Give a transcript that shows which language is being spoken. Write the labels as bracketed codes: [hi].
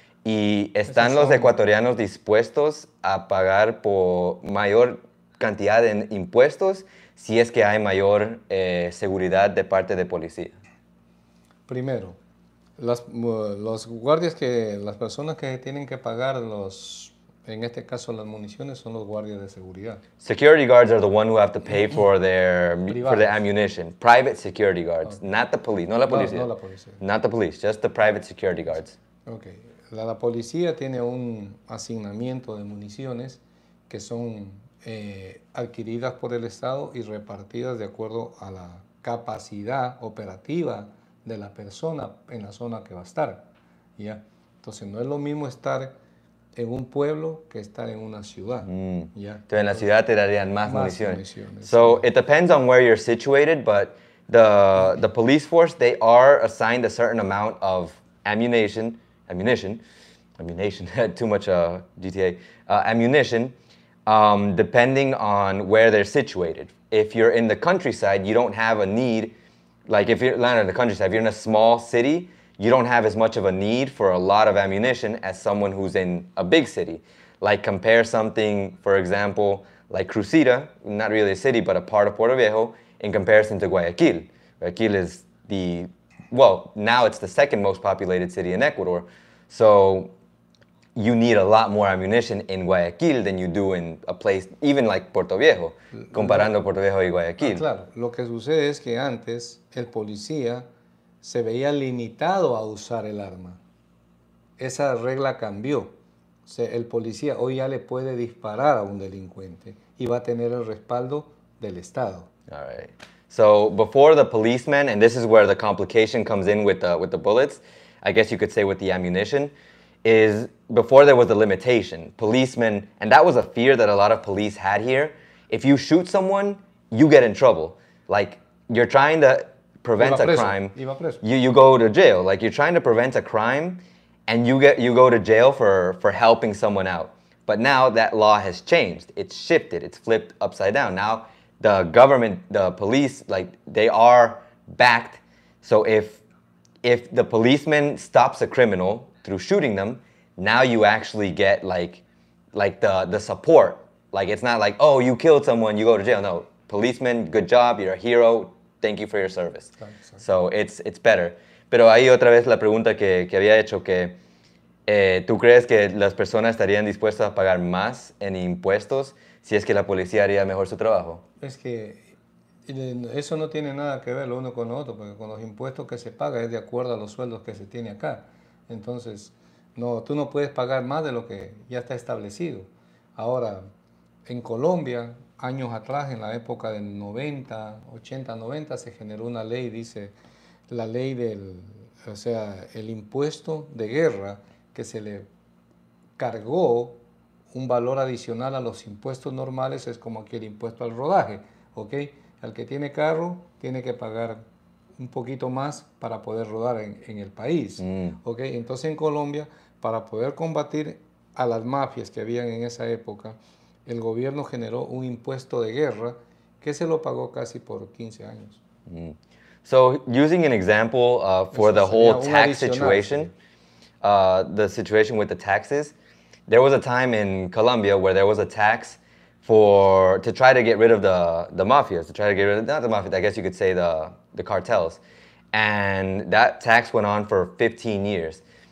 [es] ¿Y están los ecuatorianos dispuestos a pagar por mayor cantidad en impuestos si es que hay mayor seguridad de parte de policía? Primero, los guardias que, las personas que tienen que pagar los, en este caso las municiones, son los guardias de seguridad. [en] Security guards are the one who have to pay for their for the ammunition. Private security guards, okay. Not the police, [es] no la policía. No, no la policía. [en] Not the police, just the private security guards. Okay. [es] La policía tiene un asignamiento de municiones que son adquiridas por el Estado y repartidas de acuerdo a la capacidad operativa de la persona en la zona que va a estar. ¿Ya? Entonces, no es lo mismo estar en un pueblo que estar en una ciudad. Mm. ¿Ya? Entonces, en la ciudad te darían más municiones. [en] So, it depends on where you're situated, but the police force, they are assigned a certain amount of ammunition, too much GTA, ammunition, depending on where they're situated. If you're in the countryside, you don't have a need, like if you're landing in the countryside, if you're in a small city, you don't have as much of a need for a lot of ammunition as someone who's in a big city. Like compare something, for example, like Crucita, not really a city, but a part of Puerto Viejo, in comparison to Guayaquil. Guayaquil is the, well, now it's the second most populated city in Ecuador. So you need a lot more ammunition in Guayaquil than you do in a place, even like Puerto Viejo, [es] comparando Puerto Viejo y Guayaquil. Ah, claro, lo que sucede es que antes el policía se veía limitado a usar el arma. Esa regla cambió. O sea, el policía hoy ya le puede disparar a un delincuente y va a tener el respaldo del Estado. [en] All right. So before the policeman, and this is where the complication comes in with the bullets, I guess you could say with the ammunition, is before there was a limitation. Policemen, and that was a fear that a lot of police had here. If you shoot someone, you get in trouble. Like, you're trying to prevent a crime. You go to jail. Like, you're trying to prevent a crime, and you go to jail for helping someone out. But now that law has changed. It's shifted. It's flipped upside down. Now, the government, the police, like, they are backed. So if the policeman stops a criminal through shooting them, now you actually get like the support. Like, it's not like, oh, you killed someone, you go to jail. No, policeman, good job, you're a hero, thank you for your service. So it's better. [es] Pero ahí otra vez la pregunta que había hecho, que tú crees que las personas estarían dispuestas a pagar más en impuestos si es que la policía haría mejor su trabajo? Es que eso no tiene nada que ver lo uno con lo otro, porque con los impuestos que se paga es de acuerdo a los sueldos que se tiene acá. Entonces, no, tú no puedes pagar más de lo que ya está establecido. Ahora, en Colombia, años atrás, en la época del 90, 80, 90, se generó una ley, dice, la ley del, o sea, el impuesto de guerra, que se le cargó un valor adicional a los impuestos normales, es como aquí el impuesto al rodaje, ¿ok? Al que tiene carro, tiene que pagar un poquito más para poder rodar en el país. Mm. Okay, entonces en Colombia, para poder combatir a las mafias que habían en esa época, el gobierno generó un impuesto de guerra que se lo pagó casi por 15 años. Mm. [en] So, using an example for the whole tax situation, the situation with the taxes, there was a time in Colombia where there was a tax to try to get rid of the mafias, to try to get rid of, not the mafias, I guess you could say the cartels. And that tax went on for 15 years.